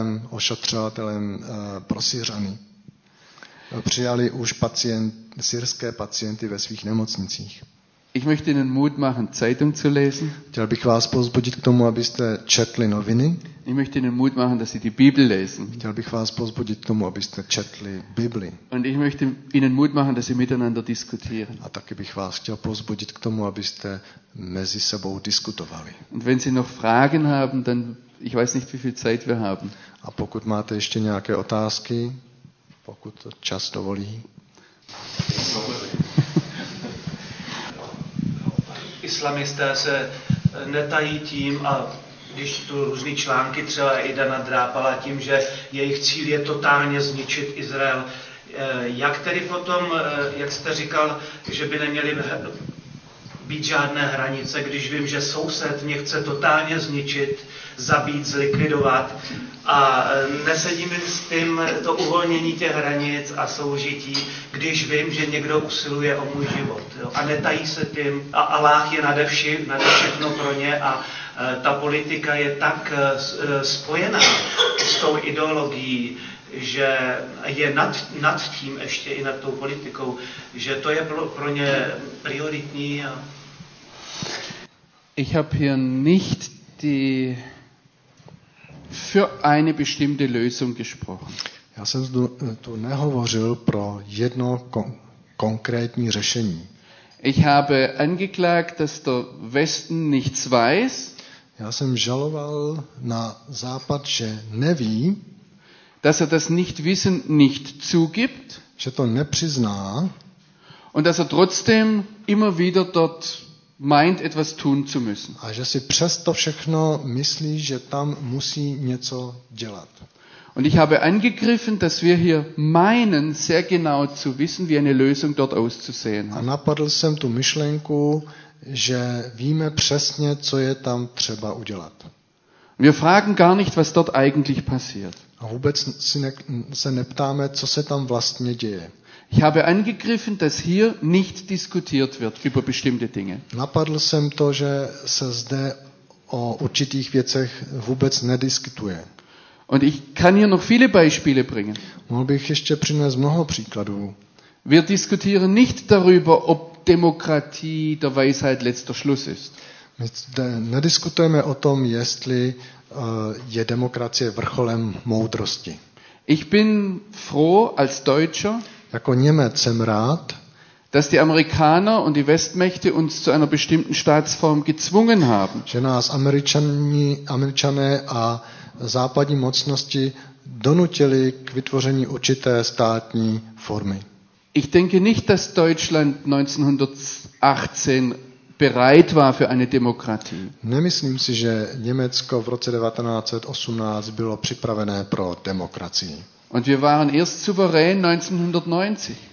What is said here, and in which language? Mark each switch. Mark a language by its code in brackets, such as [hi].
[cs] ošetřovatelem pro Syřany. Přijali už syrské pacienty ve svých nemocnicích. [de] Ich möchte Ihnen Mut machen, Zeitung zu lesen. [cs] Chtěl bych vás pozbudit k tomu, abyste četli noviny. [de] Ich möchte Ihnen Mut machen, dass Sie die Bibel lesen. [cs] Chtěl bych vás pozbudit k tomu, abyste četli Bibli. [de] Und ich möchte Ihnen Mut machen, dass Sie miteinander diskutieren. [cs] A taky bych vás chtěl pozbudit k tomu, abyste mezi sebou diskutovali. [de] Und wenn Sie noch Fragen haben, dann ich weiß nicht, wie viel Zeit wir haben. [cs] A pokud máte ještě nějaké otázky, pokud to čas dovolí. Islamisté se netají tím, a když tu různý články třeba i Dana Drápala, tím, že jejich cíl je totálně zničit Izrael. Jak tedy potom, jak jste říkal, že by neměly být žádné hranice, když vím, že soused mě chce totálně zničit, zabít, zlikvidovat a nesedím s tím to uvolnění těch hranic a soužití, když vím, že někdo usiluje o můj život. A netají se tím, a Allah je nade všechno pro ně a ta politika je tak spojená s tou ideologií, že je nad tím ještě i nad tou politikou, že to je pro ně prioritní. [de] Ich habe hier nicht die für eine bestimmte Lösung gesprochen. [cs] Já jsem tu nehovořil pro jedno konkrétní řešení. [de] Ich habe angeklagt, dass der Westen nichts weiß. [cs] Já jsem žaloval na Západ, že neví, [de] dass er das Nichtwissen nicht zugibt, [cs] že to nepřizná, [de] und dass er trotzdem immer wieder dort meint, etwas tun zu müssen. [cs] A že si přesto všechno myslí, že tam musí něco dělat. [de] Und ich habe angegriffen, dass wir hier meinen, sehr genau zu wissen, wie eine Lösung dort auszusehen hat. [cs] A napadl jsem tu myšlenku, že víme přesně, co je tam třeba udělat. [de] Wir fragen gar nicht, was dort eigentlich passiert. [cs] A vůbec se neptáme, co se tam vlastně děje. [de] Ich habe angegriffen, dass hier nicht diskutiert wird über bestimmte Dinge. [cs] Napadl jsem to, že se zde o určitých věcech vůbec nediskutuje. [de] Und ich kann hier noch viele Beispiele bringen. [cs] Mohl bych ještě přinést mnoho příkladů. [de] Wir diskutieren nicht darüber, ob Demokratie der Weisheit letzter Schluss ist. [cs] My nediskutujeme o tom, jestli je demokracie vrcholem moudrosti. [de] Ich bin froh als Deutscher, [cs] jako Němec jsem rád, [de] dass die Amerikaner und die Westmächte uns zu einer bestimmten Staatsform gezwungen haben. [cs] Že nás Američané a západní mocnosti donutili k vytvoření určité státní formy. [de] Ich denke nicht, dass Deutschland 1918 bereit war für eine Demokratie. [cs] Nemyslím si, že Německo v roce 1918 bylo připravené pro demokracii. [de] Und wir waren erst souverän 1990.